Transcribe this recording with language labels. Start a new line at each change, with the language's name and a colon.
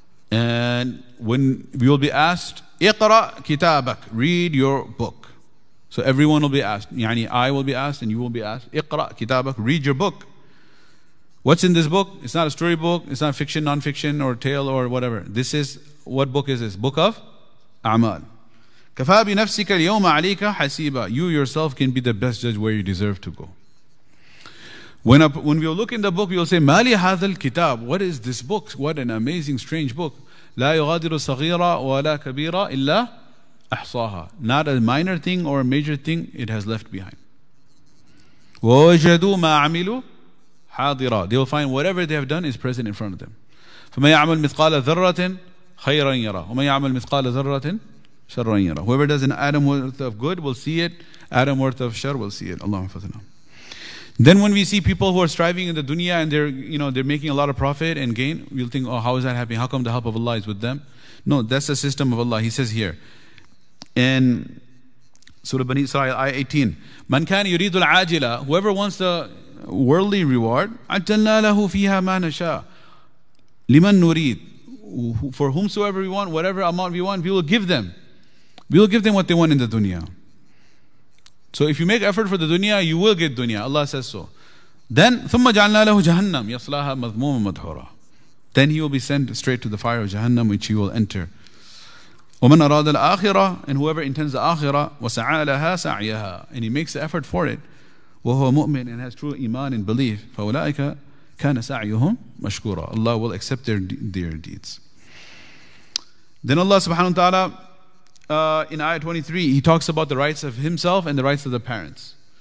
English: And when we will be asked,
Arabic: اقرأ كتابك,
English: read your book. So everyone will be asked. يعني I will be asked and you will be asked.
Arabic: اقرأ كتابك,
English: read your book. What's in this book? It's not a storybook. It's not fiction, non-fiction, or tale, or whatever. This is, what book is this? Book of أعمال.
Arabic: كفى بنفسك اليوم عليك حسيبا.
English: You yourself can be the best judge where you deserve to go. When we look in the book, we'll say,
Arabic: "Mali hadhal kitab."
English: What is this book? What an amazing, strange book!
Arabic: لا يغادر صغيرة ولا كبيرة إلا أحصاها.
English: Not a minor thing or a major thing it has left behind.
Arabic: ووجدوا ما عملوا حاضرا.
English: They will find whatever they have done is present in front of them.
Arabic: فمن يعمل مثقال ذرة خيرا يرى ومن يعمل مثقال ذرة شرا يرى.
English: Whoever does an atom worth of good will see it. Atom worth of shar will see it. Allahumma fathana. Then when we see people who are striving in the dunya and they're making a lot of profit and gain, we'll think, oh, how is that happening? How come the help of Allah is with them? No, that's the system of Allah. He says here, in Surah Bani Israel, ayah 18.
Arabic: Man kana yuridu al-ajila,
English: whoever wants the worldly reward,
Arabic: ajjalna lahu fiha ma nasha. Liman nurid,
English: for whomsoever we want, whatever amount we want, we will give them. We will give them what they want in the dunya. So if you make effort for the dunya, you will get dunya. Allah says so.
Arabic: Then, ثُمَّ جَعَلْنَا لَهُ جَهَنَّمْ يَصْلَاهَا مَذْمُومًا مَدْحُورًا.
English: Then he will be sent straight to the fire of Jahannam, which he will enter.
Arabic: وَمَنْ أَرَادَ الْآخِرَةِ,
English: and whoever intends the akhirah,
Arabic: وَسَعَى لَهَا سَعْيَهَا,
English: and he makes the effort for it,
Arabic: وَهُوَ مُؤْمِنْ,
English: and has true iman and belief,
Arabic: فَأُولَٰئِكَ كَانَ سَعْيُهُمْ مَشْكُورًا.
English: Allah will accept their deeds. Then Allah subhanahu wa ta'ala, in ayah 23, he talks about the rights of himself and the rights of the parents.